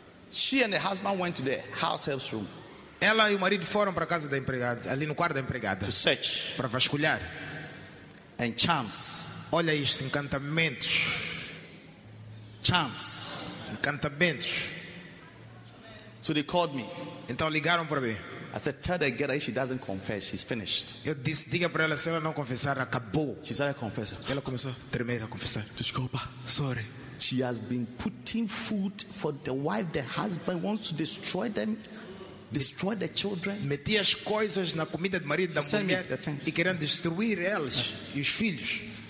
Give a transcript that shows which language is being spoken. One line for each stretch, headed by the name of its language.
English: she and her husband went to the house help's room.
Portuguese: Ela e o marido foram para a casa da empregada, ali no quarto da empregada,
English: to search.
Portuguese: Para vasculhar.
English: And charms.
Portuguese: Olha isto, encantamentos.
English: Charms.
Portuguese: Encantamentos.
English: So they called me.
Portuguese: Então ligaram para mim.
English: I said, tell the girl if she doesn't confess, she's finished.
Portuguese: Eu disse, diga para ela, se ela não confessar, acabou.
English: She started confessing.
Portuguese: Ela começou a tremer a confessar. Desculpa.
English: Sorry. She has been putting food for the wife. The husband wants to destroy them. Destroy the children.
Portuguese: Meti as coisas na comida do marido da mulher e querem destruir eles e os filhos.